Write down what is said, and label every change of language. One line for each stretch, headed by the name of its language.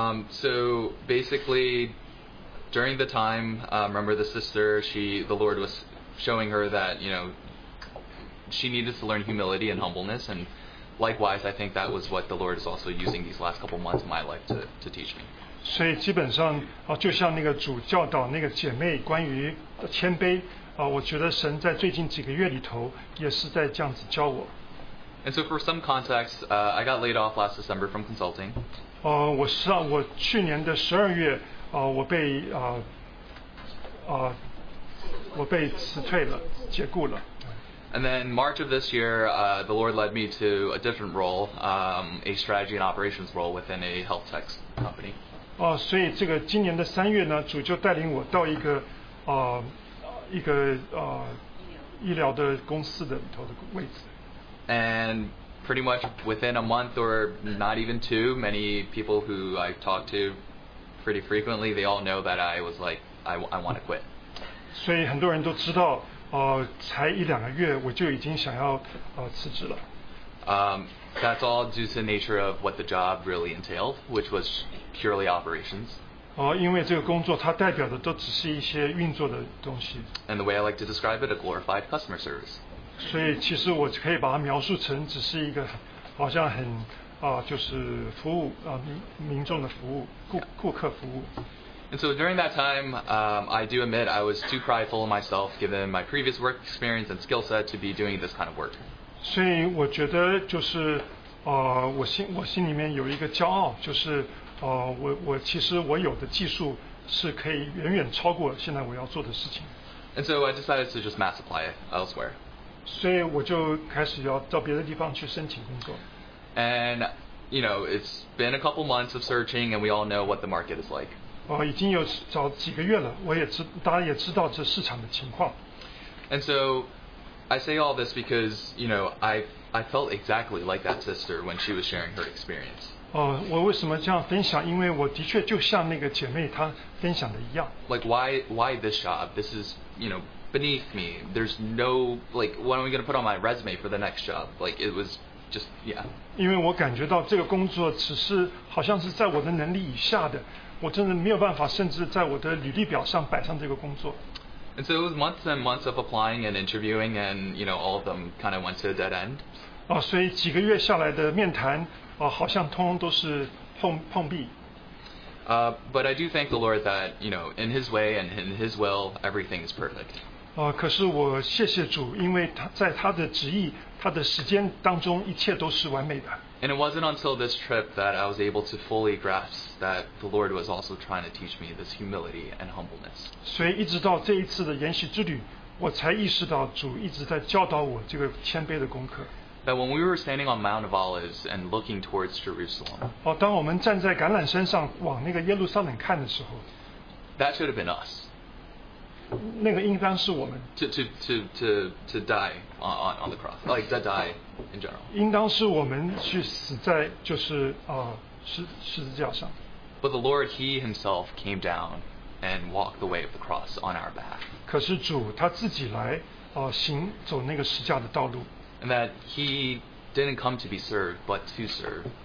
English: So basically, during the time, remember the sister, the Lord was showing her that, you know, she needed to learn humility and humbleness, and likewise, I think that was what the Lord is also using these last couple months of my life to teach me.
Chinese: 所以基本上，就像那个主教导那个姐妹关于谦卑，我觉得神在最近几个月里头也是在这样子教我。
English: And so for some context, I got laid off last December from consulting.
Chinese: 我去年的十二月，我被辞退了，解雇了。
English: And then March of this year, the Lord led me to a different role, a strategy and operations role within a health tech company.
Chinese: 所以这个今年的三月呢，主就带领我到一个医疗的公司的里头的位置。
English: And pretty much within a month or not even two, many people who I've talked to pretty frequently, they all know that I was like, I want to quit.
Chinese: 所以很多人都知道，才一两个月我就已经想要辞职了。
English: That's all due to the nature of what the job really entailed, which was purely operations.
Chinese: 因为这个工作它代表的都只是一些运作的东西。
English: And the way I like to describe it, a glorified customer service.
Chinese: 所以其实我可以把它描述成只是一个好像很就是服务民众的服务顾客服务。
English: And so during that time, I do admit I was too prideful of myself given my previous work experience and skill set to be doing this kind of work.
Chinese: 所以我觉得就是我心里面有一个骄傲就是我其实我有的技术是可以远远超过现在我要做的事情。
English: And so I decided to just mass apply elsewhere.
Chinese: 所以我就开始要到别的地方去申请工作。
English: And, you know, it's been a couple months of searching and we all know what the market is like.
Chinese: 已经有找几个月了，大家也知道这市场的情况。
English: And so, I say all this because, you know, I felt exactly like that sister when she was sharing her experience.
Chinese: 我为什么这样分享？因为我的确就像那个姐妹她分享的一样。
English: Like why this job? This is, you know, beneath me. There's no like, what am I going to put on my resume for the next job? Like it was just yeah.
Chinese: 因为我感觉到这个工作只是好像是在我的能力以下的。我真的没有办法，甚至在我的履历表上摆上这个工作。
English: And so it was months and months of applying and interviewing, and you know, all of them kind of went to a dead end.
Chinese: 所以几个月下来的面谈，好像通通都是碰壁。
English: But I do thank the Lord that you know, in His way and in His will, everything is perfect.
Chinese: 可是我谢谢主，因为在他的旨意、他的时间当中，一切都是完美的。
English: And it wasn't until this trip that I was able to fully grasp that the Lord was also trying to teach me this humility and humbleness.
Chinese: 所以一直到这一次的研习之旅，我才意识到主一直在教导我这个谦卑的功课。
English: That when we were standing on Mount of Olives and looking towards Jerusalem.
Chinese: 当我们站在橄榄山上往那个耶路撒冷看的时候。
English: That should have been us.
Chinese: 那个应当是我们。
English: To die on the cross, like to die. In general.
Chinese: 应当是我们去死在就是十字架上。
English: But the Lord, He Himself came down and walked the way of the cross on our behalf.
Chinese: 可是主他自己来走那个十字架的道路。
English: And that He didn't come to be served, but to serve.